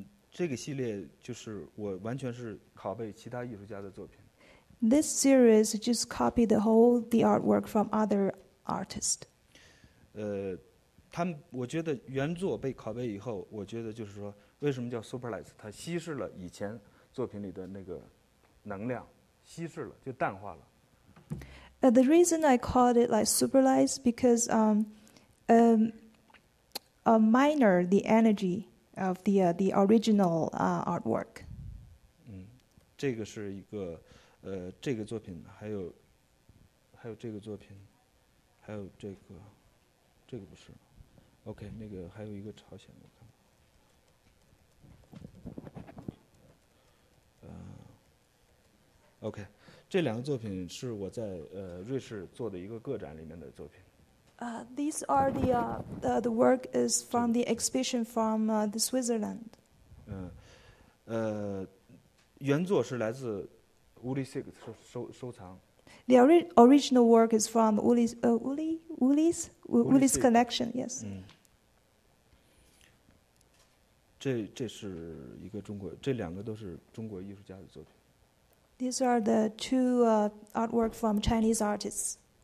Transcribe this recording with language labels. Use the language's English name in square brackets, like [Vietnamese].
[Chinese] 这个系列就是我完全是拷贝其他艺术家的作品。 [English] This series just copied the artwork from other artists. [Chinese] 他们，我觉得原作被拷贝以后，我觉得就是说，为什么叫 Super Light？它稀释了以前作品里的那个能量，稀释了，就淡化了。 [English] The reason I called it like Super Light is because minor the energy of the original artwork. [Chinese] 这个是一个这个作品，还有这个作品，还有这个不是。 OK， 那个还有一个朝鲜的，OK， 这两个作品是我在瑞士做的一个个展里面的作品。 [English] These are the work is from the exhibition from the Switzerland. [Chinese] 原作是来自 Uli Sig 收藏。 [English] The original work is from Uli's collection. Yes. [Chinese] 这是一个中国，这两个都是中国艺术家的作品。 [English] These are the two artwork from Chinese artists.